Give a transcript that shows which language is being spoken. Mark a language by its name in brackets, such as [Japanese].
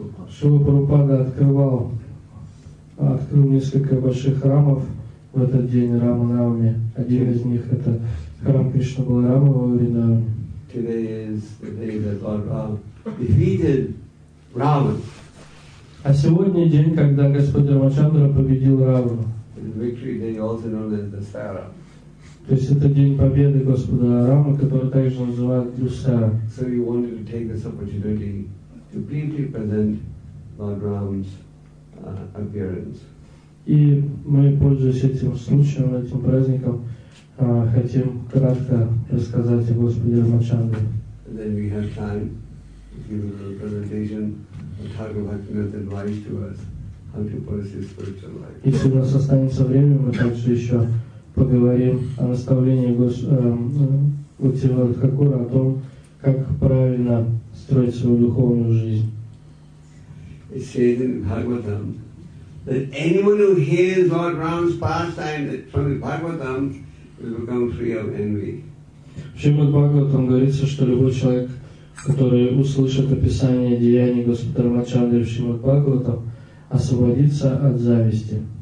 [Russian] Шрила Прабхупада открыл несколько больших храмов в этот день Рама Навами. Один из них это храм Кришна Баларама во Вриндаване. [English] Today is the day that Lord Ram defeated Ravan. [Russian] А сегодня день, когда Господь Рамачандра победил Равану. [English] Victory day, also known as the Sara. [Russian] То есть это день победы Господа Рама, который также называют Дюсара. [English] So we wanted to take this opportunity to briefly present Lord Ram's appearance. [Russian] И мы, пользуясь этим случаем, этим праздником, хотим кратко рассказать о Господе Рамачандре. [English] Then we have time to give a little presentation of Thakur Bhaktivinoda's advice to us how to pursue spiritual life. [Russian] Если у нас останется время, мы также еще поговорим о наставлении Бхактивинода Тхакура о том, как правильно строить свою духовную жизнь. [English] It says in Bhagavatam that anyone who hears Lord Ram's pastime from the Bhagavatam will become free of envy. [Russian] В Шримад Бхагаватам говорится, что любой человек, который услышит описание деяний Господа Рамачандры в Шримад Бхагаватам, освободится от зависти.